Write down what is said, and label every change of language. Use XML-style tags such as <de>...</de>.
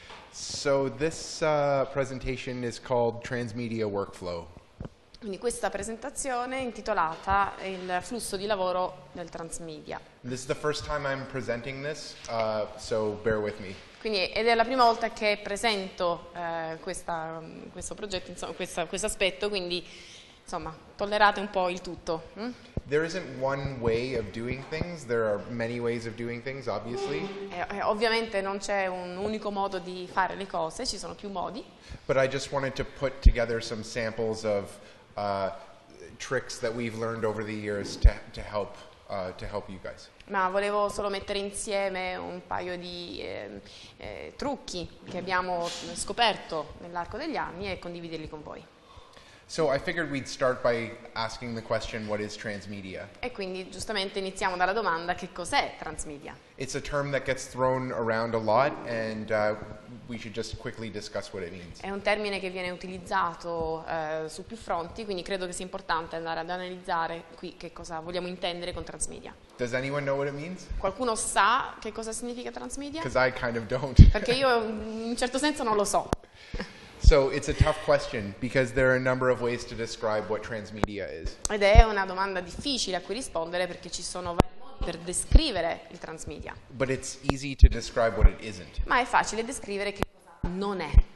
<en>So this presentation is called Transmedia Workflow.</en> <it>Quindi questa presentazione è intitolata Il flusso di lavoro del transmedia.</it> <en>This is the first time I'm presenting this, so bear with me.</en> <it>Quindi ed è la prima volta che presento questo progetto, insomma, questo aspetto, quindi insomma, tollerate un po' il tutto.</it> <en>There isn't one way of doing things. There are many ways of doing things, obviously.</en> <it>Ovviamente non c'è un unico modo di fare le cose, ci sono più modi.</it> <en>But I just wanted to put together some samples of tricks that we've learned over the years to help you guys.</en> <it>Ma volevo solo mettere insieme un paio di trucchi che abbiamo scoperto nell'arco degli anni e condividerli con voi.</it> <en>So I figured we'd start by asking the question, what is transmedia?</en> <it>E quindi giustamente iniziamo dalla domanda, che cos'è transmedia?</it> <en>It's a term that gets thrown around a lot, and we should just quickly discuss what it means.</en> <it>È un termine che viene utilizzato su più fronti, quindi credo che sia importante andare ad analizzare qui che cosa vogliamo intendere con transmedia.</it> <en>Does anyone know what it means?</en> <it>Qualcuno sa che cosa significa transmedia?</it> <en>Because I kind of don't.</en> <it>Perché io in un certo senso non lo so.</it> <en>So it's a tough question because there are a number of ways to describe what transmedia is.</en> <it>Ed è una domanda difficile a cui rispondere perché ci sono vari modi per descrivere il transmedia.</it> <en>But it's easy to describe what it isn't.</en> <it>Ma è facile descrivere che cosa non è.</it>